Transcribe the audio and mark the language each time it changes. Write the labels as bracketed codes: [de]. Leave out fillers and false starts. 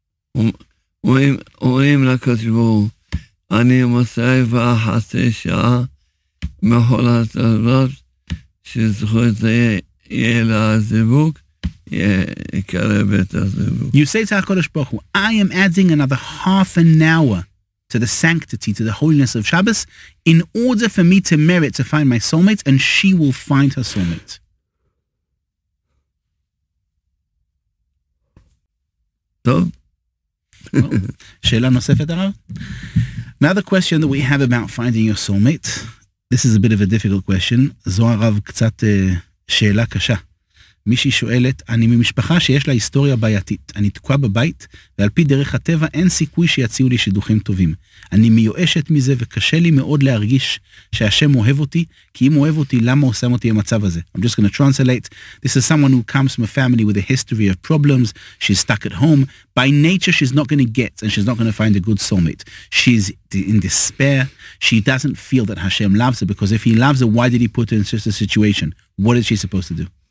[en] you say to HaKadosh Baruch Hu, I am adding another half an hour to the sanctity, to the holiness of Shabbos, in order for me to merit to find my soulmate, and she will find her soulmate. Another question that we have about finding your soulmate. This is a bit of a difficult question. [he] זו הרב קצת שאלה קשה. מישהי שואלת, אני ממשפחה שיש לה היסטוריה בעייתית. אני תקוע בבית, ועל פי דרך הטבע אין סיכוי שיציעו לי שידוכים טובים. אני מיואשת מזה וקשה לי מאוד להרגיש שהשם אוהב אותי, כי אם אוהב אותי, למה הוא שם אותי במצב הזה? [en] I'm just going to translate. This is someone who comes from a family with a history of problems. She's stuck at home. By nature, she's not going to get and she's not going to find a good soulmate. She's in despair. She doesn't feel that Hashem loves her, because if he loves her, why did he put her in such a situation? What is she supposed to do?